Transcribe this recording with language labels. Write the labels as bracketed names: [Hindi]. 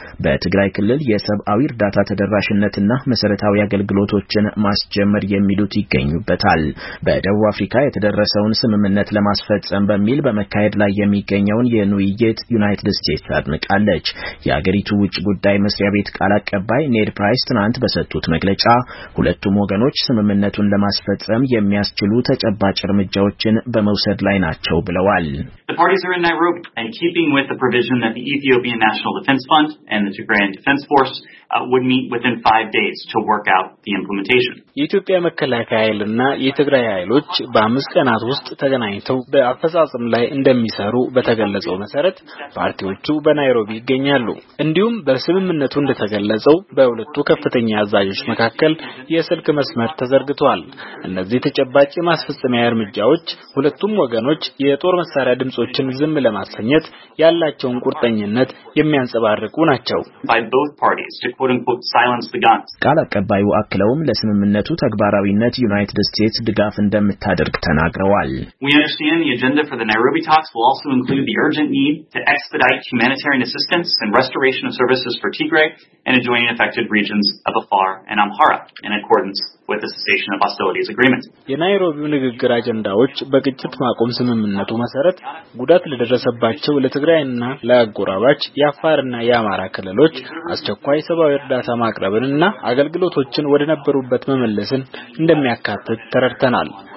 [Amharic] በትግራይ ክልል የሰብአዊ እርዳታ ተደራሽነትና መሰረታዊ አገልግሎቶችን ማስጀመር የሚሉት ይገኙበታል። በደቡብ አፍሪካ የተደረሰውን ስምምነት ለማስፈጸም በሚል በመካሄድ ላይ የሚገኘው የኛውን የኑይት ዩናይትድ ስቴትስ አድንቃለች። የሀገሪቱ ውጭ ጉዳይ መስሪያ ቤት ቃል አቀባይ ኔድ ፕራይስ ትናንት በሰጡት መግለጫ ሁለቱም ወገኖች ስምምነቱን ለማስፈጸም የሚያስችሉ ተጨባጭ እርምጃዎችን በመውሰድ ላይ ናቸው ብለዋል። [English] The parties are in Nairobi and keeping with the provision that the Ethiopian National Defense Fund and the Tigrayan Defense Force would meet within 5 days to work out the implementation. [Amharic] የኢትዮጵያ መከላከያ ኃይልና የትግራይ ኃይሎች በአምስት ቀናት ውስጥ ተገናኝተው በአፈጻጸም ላይ እንደሚሰሩ በተገለጸው መሰረት ፓርቲዎቹ በናይሮቢ ይገኛሉ። እንዲሁም በስምምነቱ እንደተገለጸው በሁለቱ ከፍተኛ አዛዦች መካከል የስልክ መስመር ተዘርግቷል። እነዚህ ተጨባጭ ማስፈጸሚያ እርምጃዎች ሁለቱም ወገኖች የጦር መሳሪያ ድምጾችን ዝም ለማሰኘት ያላቸውን ቁርጠኝነት የሚያንጸባርቁ ናቸው። [English] By both parties to quote unquote silence the guns. [Amharic] ቃል አቀባዩ አክለውም ለስምምነቱ ስምምነቱ ተግባራዊነት ዩናይትድ ስቴትስ ድጋፍ እንደምታደርግ ተናግረዋል። [English] We understand the agenda for the Nairobi talks will also include the urgent need to expedite humanitarian assistance and restoration of services for Tigray and adjoining affected regions of Afar and Amhara in accordance with the cessation of hostilities agreement. [Amharic] የናይሮቢው ንግግር አጀንዳዎች በግጭት ማቆም ስምምነቱ መሰረት ጉዳት ለደረሰባቸው ለትግራይና ለአጎራባች የአፋርና የአማራ ክልሎች አስቸኳይ ሰብአዊ እርዳታ ማቅረብንና አገልግሎቶችን ወደነበሩበት መመለስን እንደሚያካትት ተረድተናል።